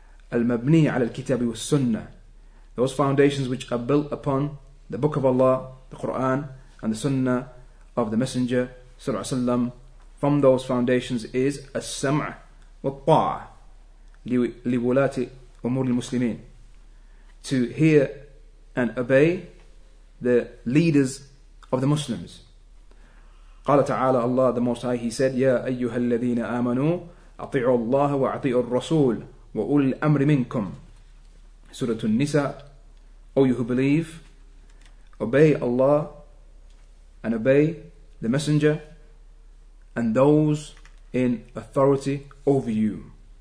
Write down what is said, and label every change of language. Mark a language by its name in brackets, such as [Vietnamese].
[English] Al-Mabniya ala al-Kitab wa Sunnah, those foundations which are built upon the Book of Allah, the Quran, and the Sunnah of the Messenger, Sallallahu Alaihi Wasallam, from those foundations is As-Sam' wa Ta'a li wulati umur al-Muslimin, to hear and obey the leaders of the Muslims. [Arabic] قال تعالى الله, [English] the Most High, he said, [Arabic] يا أيها الذين آمنوا أطيعوا الله وأطيعوا الرسول وأولي الأمر منكم. سورة النساء, [English] O you who believe, obey Allah and obey the Messenger and those in authority over you.